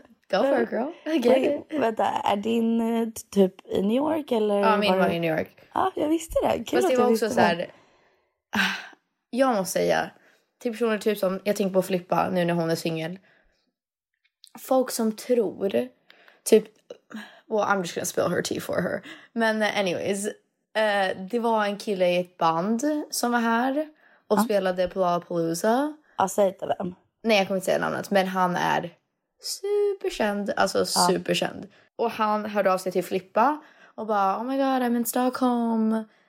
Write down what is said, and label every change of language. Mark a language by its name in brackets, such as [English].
[English] Go for it, girl. [Swedish] Vänta, är din typ i New York? Eller ja, min var i New York. Ja, jag visste det. Kul. Fast det var också så här... Jag måste säga, till personer typ som... Jag tänker på Filippa nu när hon är singel. Folk som tror... Typ... [English] Well, I'm just gonna spill her tea for her. [Swedish] Men anyways. Det var en kille i ett band som var här. Och spelade på Lollapalooza. Ja, säg inte vem. Nej, jag kommer inte säga namnet. Men han är... superkänd, alltså superkänd. Ja. Och han hörde av sig till Filippa och bara, [English] oh my god, I'm in Stockholm.